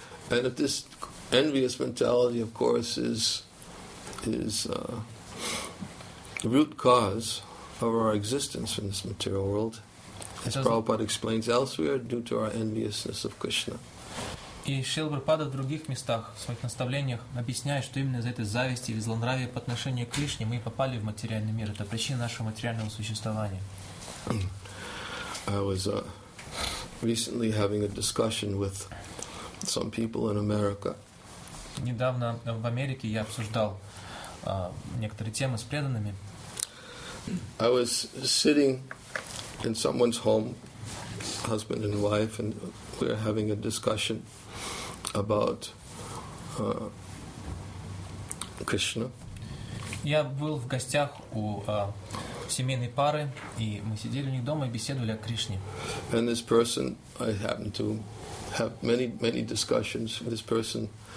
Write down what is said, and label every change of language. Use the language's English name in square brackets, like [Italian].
[English] And if this envious mentality, of course, is the root cause of our existence in this material world, as Prabhupada explains elsewhere, due to our enviousness of Krishna. [Russian] И Шрила Прабхупада в других местах, в своих наставлениях, объясняет, что именно из-за этой зависти или злонравия по отношению к Кришне мы попали в материальный мир. Это причина нашего материального существования. [English] I was recently having a discussion with some people in America. [Russian] Недавно в Америке я обсуждал некоторые темы с преданными. [English] I was sitting in someone's home, husband and wife, and we were having a discussion about Krishna. [Russian] Я был в гостях у семейной пары, и мы сидели у них дома и беседовали о Кришне. [English] And this person, I happened to have many, many discussions with this person.